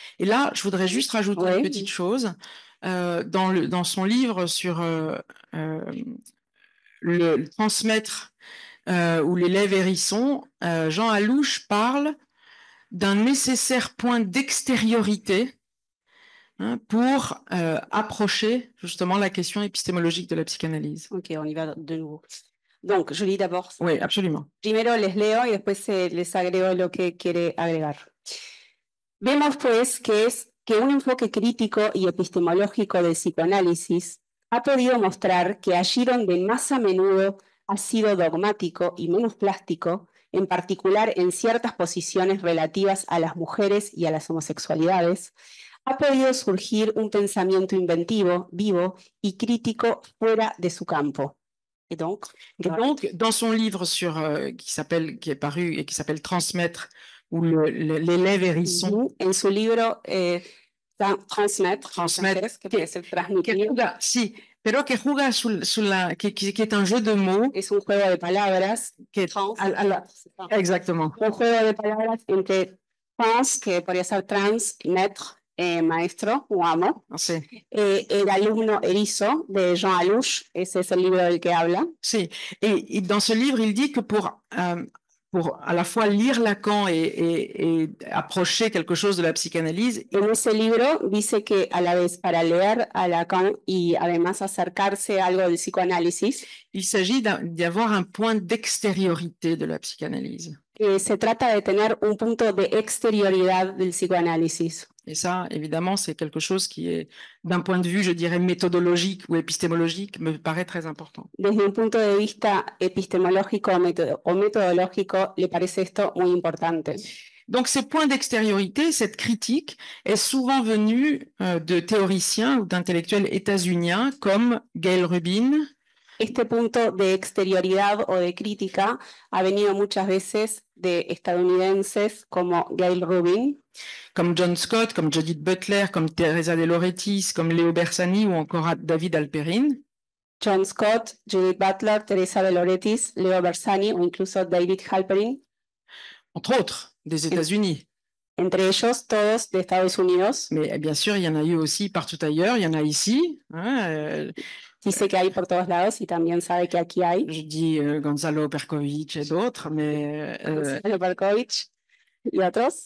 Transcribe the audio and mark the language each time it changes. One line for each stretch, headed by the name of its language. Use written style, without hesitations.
French: Et là, je voudrais juste rajouter une petite chose. Dans son livre sur le transmettre ou l'élève hérisson, Jean Allouche parle d'un nécessaire point d'extériorité pour approcher justement la question épistémologique de la psychanalyse. Ok, on y va de nouveau. Donc, je lis d'abord. Oui, absolument.
Spanish: Primero les leo y después les agrego lo que quiere agregar. Vemos pues que un enfoque crítico y epistemológico del psicoanálisis ha podido mostrar que allí donde más a menudo ha sido dogmático y menos plástico, en particular en ciertas posiciones relativas a las mujeres y a las homosexualidades, ha podido surgir un pensamiento inventivo, vivo y crítico fuera de su campo.
French: Et donc, dans son livre sur, qui est paru et qui s'appelle Transmettre, ou l'élève hérisson.
Spanish: En su libro, Transmettre.
French: Transmettre.
Spanish: Que es el transmitir. Sí, pero que juega
French: sur la. Qui est un jeu de mots.
Spanish: Es un juego de palabras.
French: Que, exactement.
Spanish: Un juego de palabras entre trans, que podría ser transmettre, maestro o amo. Sí. El alumno erizo de Jean Allouche, ese es el libro del que habla. Sí, y
French: dans ce livre, il dit que pour à la fois lire Lacan et approcher quelque chose de la psychanalyse.
Spanish: En ese libro dice que a la vez para leer a Lacan y además acercarse a algo del psicoanálisis.
French: Il s'agit d'avoir un point d'extériorité de la psychanalyse.
Spanish: Se trata de tener un punto de exterioridad del psicoanálisis.
French: Et ça, évidemment, c'est quelque chose qui est, d'un point de vue, je dirais, méthodologique ou épistémologique, me paraît très important.
Spanish: Desde un punto de vista epistemológico o metodológico, le parece esto muy importante.
French: Donc, ces points d'extériorité, cette critique, est souvent venue de théoriciens ou d'intellectuels états-uniens comme Gail Rubin.
Spanish: Este punto de exterioridad o de crítica ha venido muchas veces de estadounidenses como Gail Rubin, como John Scott, como Judith Butler, como Teresa de Loretis, como Leo Bersani o encore David Halperin. John Scott, Judith Butler, Teresa de Loretis, Leo Bersani o incluso David Halperin.
French: Entre autres, des États-Unis.
Spanish: Entre ellos, todos de Estados Unidos.
French: Mais bien sûr, il y en a eu aussi partout ailleurs, il y en a ici.
Spanish: Dice que hay por todos lados y también sabe que aquí hay.
French: Je dis Gonzalo Perkovic et d'autres, mais...
Spanish: Gonzalo Perkovic y otros.